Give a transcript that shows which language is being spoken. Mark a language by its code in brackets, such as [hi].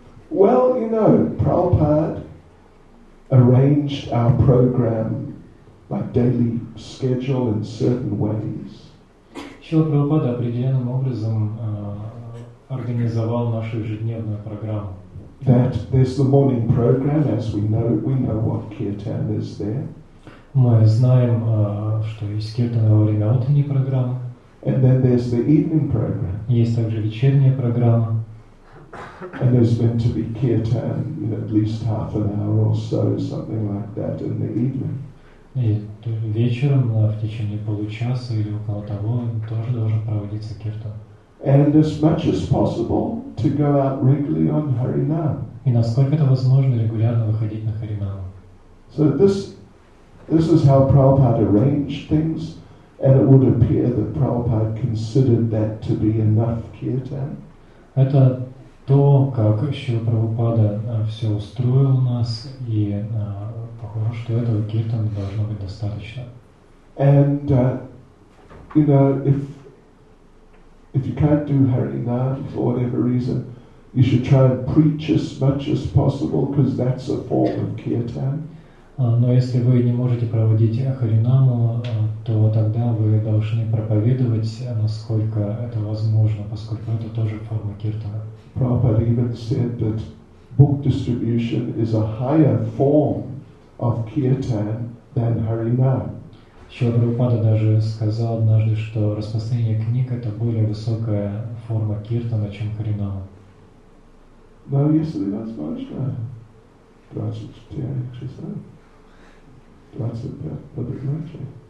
[en] Well, you know, Prabhupada arranged our program, like daily schedule, in certain ways. [ru] Шрила Прабхупада определенным образом организовал нашу ежедневную программу. [en] That there's the morning program, as we know what kirtan is there. [ru] Мы знаем, что есть киртана во время утренней программы. [en] And then there's the evening program. [ru] Есть также вечерняя программа. [en] And there's meant to be kirtan, you know, at least half an hour or so, something like that, in the evening. [ru] И вечером, в течение получаса или около того, тоже должен проводиться киртан. [en] And as much as possible to go out regularly on Harinam. [ru] И насколько это возможно, регулярно выходить на Харинам. [en] So this is how Prabhupada arranged things, and it would appear that Prabhupada considered that to be enough kirtan. [ru] Это то, как Шрила Прабхупада все устроил нас, и похоже, что этого киртана должно быть достаточно. [en] And you know, if you can't do Harinam for whatever reason, you should try and preach as much as possible, because that's a form of kirtan. [ru] Но если вы не можете проводить Харинаму, то тогда вы должны проповедовать, насколько это возможно, поскольку это тоже форма киртана. [en] Prabhupada even said that book distribution is a higher form of kirtan than Harinam. [ru] Шрила Прабхупада даже сказал однажды, что распространение книг — это более высокая форма киртана, чем Харинама. Но если возможно, 24 часа, 25 под ночью.